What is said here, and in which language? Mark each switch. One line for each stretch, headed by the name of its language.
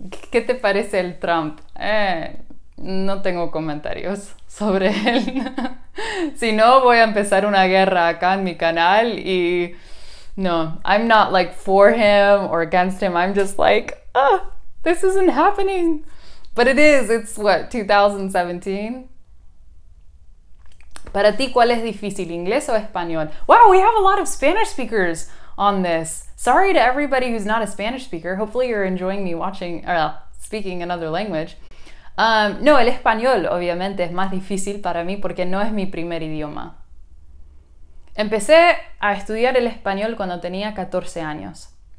Spanish: ¿Qué te parece el Trump? No tengo comentarios sobre él. Si no, voy a empezar una guerra acá en mi canal y...
English: No, I'm not like for him or against him. I'm just like, oh, this isn't happening. But it is. It's what, 2017?
Spanish: Para ti, ¿cuál es difícil, inglés o español?
English: Wow, we have a lot of Spanish speakers on this. Sorry to everybody who's not a Spanish speaker. Hopefully you're enjoying me watching, speaking another language.
Spanish: No, el español, obviamente, es más difícil para mí porque no es mi primer idioma. Empecé a estudiar el español cuando tenía 14 años.